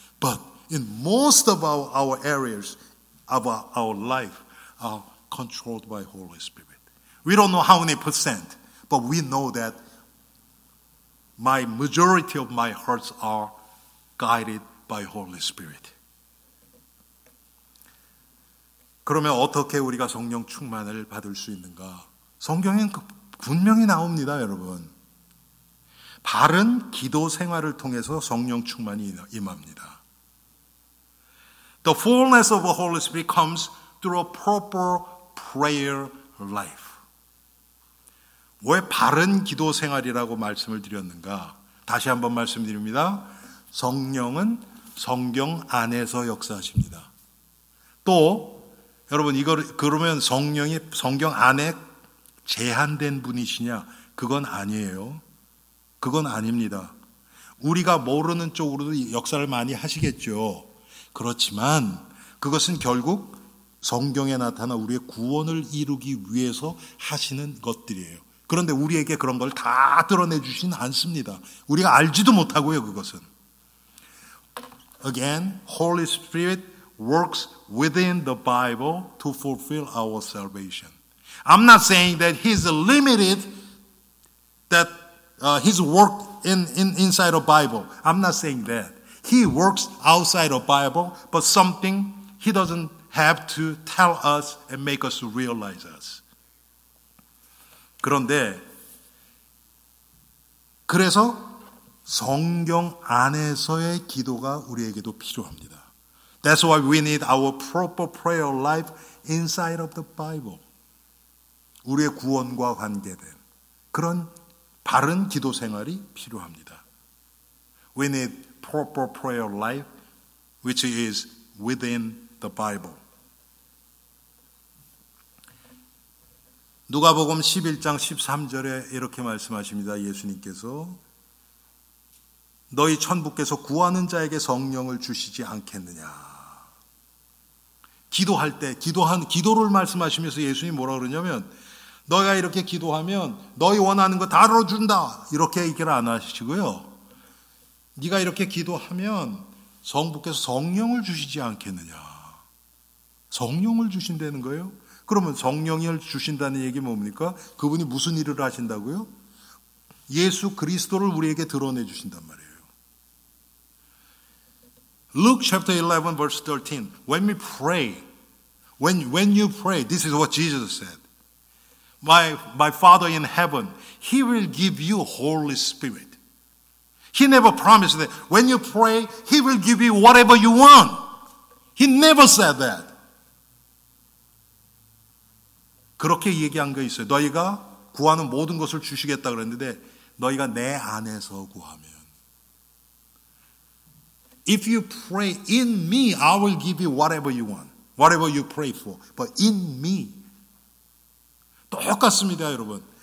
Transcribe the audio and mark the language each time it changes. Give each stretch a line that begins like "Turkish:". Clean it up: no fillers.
English: But in most of our areas of our life are controlled by Holy Spirit. We don't know how many percent, but we know that my majority of my hearts are guided by Holy Spirit.
Korean: 그러면 어떻게 우리가 성령 충만을 받을 수 있는가? 성경엔 분명히 나옵니다, 여러분. 바른 기도 생활을 통해서 성령 충만이 임합니다. The fullness of the Holy Spirit comes through a proper prayer life. 왜 바른 기도 생활이라고 말씀을 드렸는가? 다시 한번 말씀드립니다. 성령은 성경 안에서 역사하십니다. 또 여러분, 이걸 그러면 성령이 성경 안에 제한된 분이시냐? 그건 아니에요. 그건 아닙니다. 우리가 모르는 쪽으로도 역사를 많이 하시겠죠. 그렇지만 그것은 결국 성경에 나타나 우리의 구원을 이루기 위해서 하시는 것들이에요. 그런데 우리에게 그런 걸 다 드러내주진 않습니다. 우리가 알지도 못하고요, 그것은.
English: Again, Holy Spirit works within the Bible to fulfill our salvation. I'm not saying that he's limited, that his work inside of Bible. I'm not saying that. He works outside of Bible, but something he doesn't have to tell us and make us realize us.
Korean: 그런데 그래서 성경 안에서의 기도가 우리에게도 필요합니다.
English: That's why we need our proper prayer life inside of the Bible.
Korean: 우리의 구원과 관계된 그런 바른 기도 생활이 필요합니다.
English: We need proper prayer life which is within the Bible.
Korean: 누가복음 11장 13절에 이렇게 말씀하십니다. 예수님께서 너희 천부께서 구하는 자에게 성령을 주시지 않겠느냐. 기도할 때 기도를 말씀하시면서 예수님이 뭐라고 그러냐면 너희가 이렇게 기도하면 너희 원하는 거 다 들어준다 이렇게 얘기를 안 하시고요. 네가 이렇게 기도하면 성부께서 성령을 주시지 않겠느냐. 성령을 주신다는 거예요. 그러면 성령을 주신다는 얘기 뭡니까? 그분이 무슨 일을 하신다고요? 예수 그리스도를 우리에게 드러내 주신단 말이에요.
English: Luke chapter 11 verse 13. When we pray, when you pray, this is what Jesus said. My Father in heaven, he will give you Holy Spirit. He never promised that when you pray, he will give you whatever you want. He never said that.
Korean: 그렇게 얘기한 게 있어요. 너희가 구하는 모든 것을 주시겠다 그랬는데 너희가 내 안에서 구하면
English: If you pray in me, I will give you whatever you want. Whatever you pray for. But in me.
Korean: 똑같습니다, 여러분.